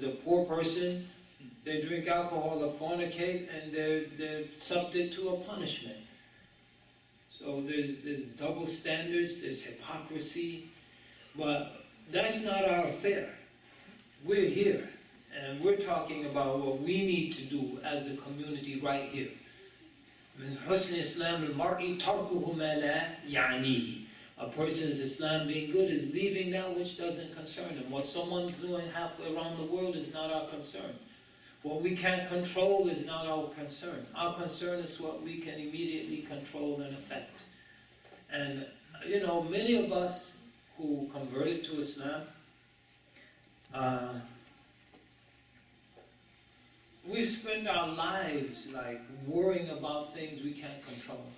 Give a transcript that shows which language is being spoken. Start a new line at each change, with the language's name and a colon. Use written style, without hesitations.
English: The poor person, they drink alcohol, they fornicate, and they're subject to a punishment. So there's double standards, there's hypocrisy. But that's not our affair. We're here. And we're talking about what we need to do as a community right here.
Arabic: من حسن إسلام المرء تركه ما لا يعنيه.
English: A person's Islam being good is leaving that which doesn't concern them. What someone's doing halfway around the world is not our concern. What we can't control is not our concern. Our concern is what we can immediately control and affect. And, you know, many of us who converted to Islam, we spend our lives like worrying about things we can't control.